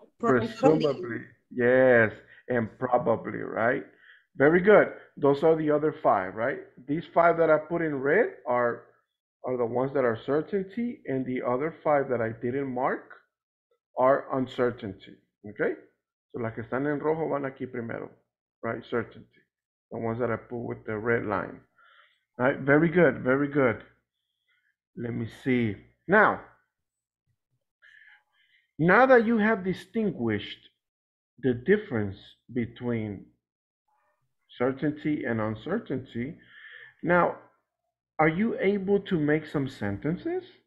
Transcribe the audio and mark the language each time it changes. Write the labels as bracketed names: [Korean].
[English] Presumably. Yes. And probably, right? Very good. Those are the other five, right? These five that I put in red are the ones that are certainty, and the other five that I didn't mark are uncertainty. Okay? [Spanish] So las que están en rojo van aquí primero. [English] Right, certainty, the ones that I put with the red line. All right, very good, very good. Let me see. Now that you have distinguished the difference between certainty and uncertainty, now, are you able to make some sentences?